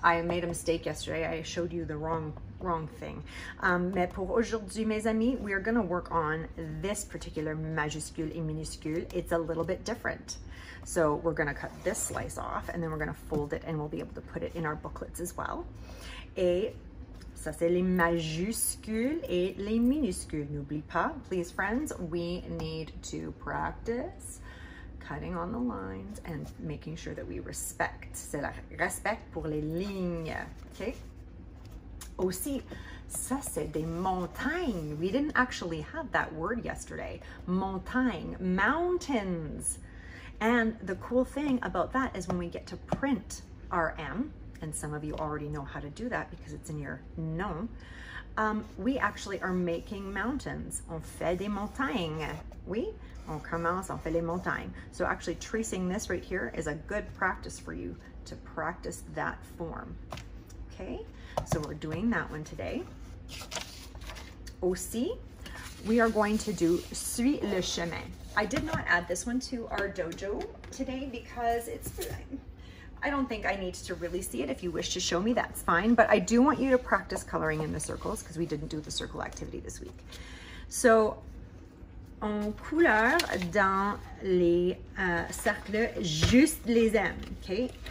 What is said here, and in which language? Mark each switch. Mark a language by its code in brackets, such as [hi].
[en] I made a mistake yesterday. I showed you the wrong thing. [fr] Mais pour aujourd'hui, mes amis, [en] we are going to work on this particular [fr] majuscule et minuscule. [en] It's a little bit different. So we're going to cut this slice off and then we're going to fold it and we'll be able to put it in our booklets as well. [fr] Et ça, c'est les majuscules et les minuscules. N'oublie pas, [en] please, friends, we need to practice cutting on the lines and making sure that we respect. [fr] C'est la respect pour les lignes, okay? Aussi, ça c'est des montagnes. [en] We didn't actually have that word yesterday. Montagne, mountains. And the cool thing about that is when we get to print our M, and some of you already know how to do that because it's in your nom, we actually are making mountains. [fr] On fait des montagnes. Oui, on commence, on fait les montagnes. [en] So actually tracing this right here is a good practice for you to practice that form. Okay, so we're doing that one today. Aussi, we are going to do [fr] suit le chemin. [en] I did not add this one to our dojo today because it's, I don't think I need to really see it. If you wish to show me, that's fine. But I do want you to practice coloring in the circles because we didn't do the circle activity this week. [fr] So, on couleur dans les cercles, juste les M, okay?